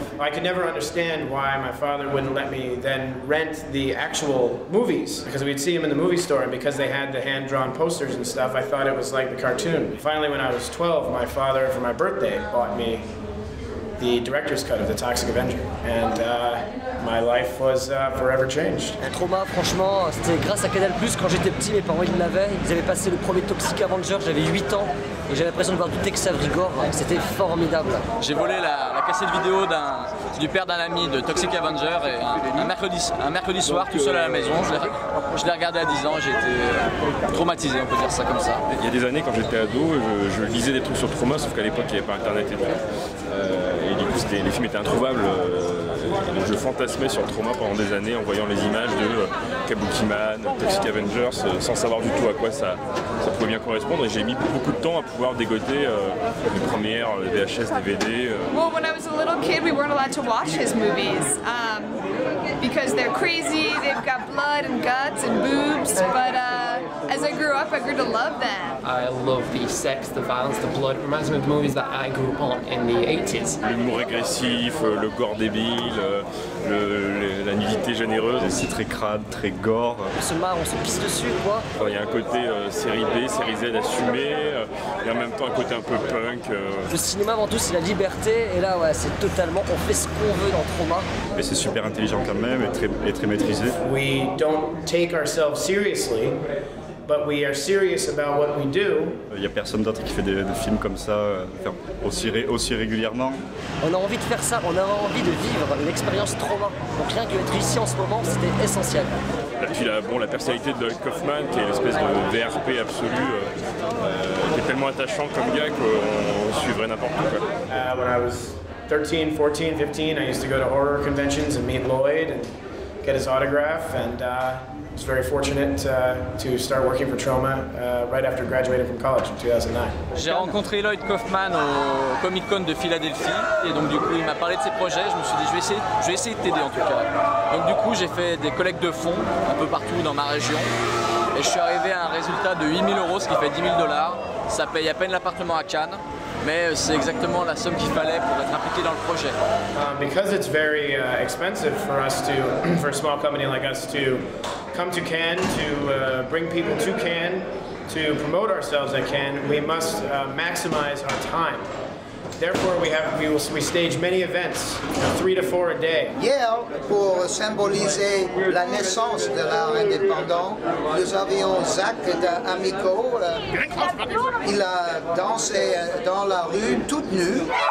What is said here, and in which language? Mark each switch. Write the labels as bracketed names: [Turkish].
[English] I could never understand why my father wouldn't let me then rent the actual movies, because we'd see them in the movie store, and because they had the hand-drawn posters and stuff, I thought it was like the cartoon. Finally, when I was 12, my father, for my birthday, bought me the director's cut of The Toxic Avenger, and my life was forever changed. [French] Un trauma, franchement, c'était grâce à Canal+, quand j'étais petit, mes parents ils l'avaient, ils avaient passé le premier Toxic Avenger, j'avais 8 ans, et j'avais l'impression de voir du Tex Avery Gore, c'était formidable. J'ai volé la cassette vidéo du père d'un ami de Toxic Avenger, et un mercredi soir, tout seul à la maison, je l'ai regardé à 10 ans, j'ai été traumatisé, on peut dire ça comme ça. Il y a des années, quand j'étais ado, je lisais des trucs sur trauma, sauf qu'à l'époque, il n'y avait pas Internet et tout. Et du coup, les films étaient introuvables. Je fantasmais sur le trauma pendant des années en voyant les images de Kabuki Man, Toxic Avengers, sans savoir du tout à quoi ça pouvait bien correspondre. Et j'ai mis beaucoup de temps à pouvoir dégoter les premières VHS, DVD. [English] Well, when I was a little kid, we weren't allowed to watch his movies because they're crazy. They've got blood and guts and boobs. But as I grew up, I grew to love them. I love the sex, the violence, the blood. It reminds me of the movies that I grew up on in the 80s. [French] L'humour régressif, le gore débile, la nudité généreuse, c'est très crade, très gore. On se marre, on se pisse dessus, quoi. Il y a un côté série B, série Z assumé, et en même temps un côté un peu punk. Le cinéma avant tout, c'est la liberté, et là, ouais, c'est totalement, on fait ce qu'on veut dans le trauma. Mais c'est super intelligent quand même, et très maîtrisé. [English] We don't take ourselves seriously. But we are serious about what we do. [French] Il y a personne d'autre qui fait des films comme ça aussi régulièrement. On a envie de faire ça, on a envie de vivre une expérience trauma. Donc rien que d'être ici en ce moment, c'était essentiel. Et puis la personnalité de Doug Kaufman, qui est une espèce de VRP absolu, qui est tellement attachant comme gars qu'on suivrait n'importe où. [English] When I was 13, 14, 15, I used to go to horror conventions and meet Lloyd and get his autograph and. I was very fortunate to start working for Troma right after graduating from college in 2009. [French] J'ai rencontré Lloyd Kaufman au Comic Con de Philadelphie, et donc du coup il m'a parlé de ses projets. Je me suis dit je vais essayer de t'aider en tout cas. Donc du coup j'ai fait des collectes de fonds un peu partout dans ma région, et je suis arrivé à un résultat de 8000 euros, ce qui fait 10 000 $. Ça paye à peine l'appartement à Cannes, mais c'est exactement la somme qu'il fallait pour être impliqué dans le projet. [English] Because it's very expensive for us to, for a small company like us to come to Cannes, to bring people to Cannes, to promote ourselves at Cannes, we must maximize our time. Therefore, we stage many events, 3 to 4 a day. [French] Hier, pour symboliser la naissance de l'art indépendant, nous avions Zach d'Amico. Il a dansé dans la rue toute nue.